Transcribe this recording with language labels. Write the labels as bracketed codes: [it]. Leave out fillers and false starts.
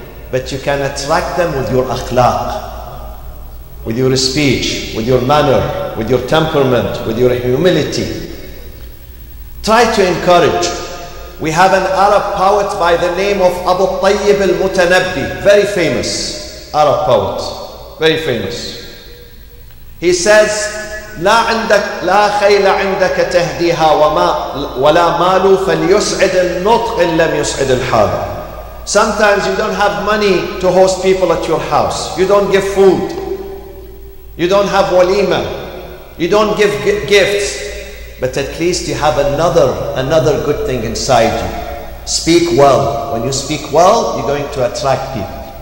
[en] But you can attract them with your akhlaq, with your speech, with your manner, with your temperament, with your humility. Try to encourage. We have an Arab poet by the name of Abu Tayyib al-Mutanabbi, very famous Arab poet, very famous. He says, [ar] لا عندك لا خيل عندك تهديها وما ولا مالو فليسعد النطق إن لم يسعد الحال. [en] Sometimes you don't have money to host people at your house. You don't give food. You don't have walima. You don't give gifts. But at least you have another good thing inside you. Speak well. When you speak well, you're going to attract people.